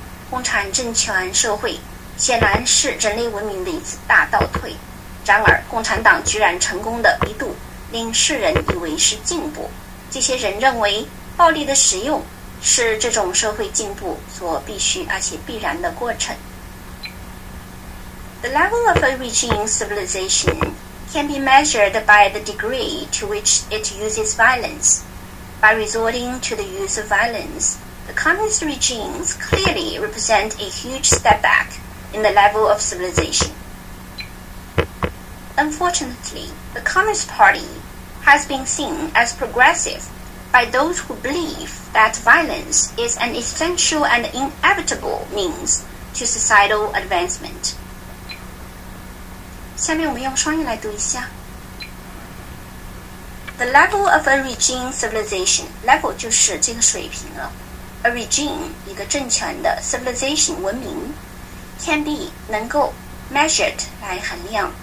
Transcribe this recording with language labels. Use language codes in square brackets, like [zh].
[zh] 共产政权社会显然是人类文明的一次大倒退，然而共产党居然成功的一度令世人以为是进步。这些人认为暴力的使用是这种社会进步所必须而且必然的过程。 [en] The level of a regime civilization can be measured by the degree to which it uses violence. By resorting to the use of violence, the communist regimes clearly represent a huge step back in the level of civilization. Unfortunately, the Communist Party has been seen as progressive by those who believe that violence is an essential and inevitable means to societal advancement. [zh] 下面我们用双语来读一下。 [en] The level of a regime civilization, level [zh] 就是这个水平了。 [en] A regime, [zh] 一个政权的 civilization, 文明 [en] can be, [zh] 能够 [en] measured, [zh] 来衡量。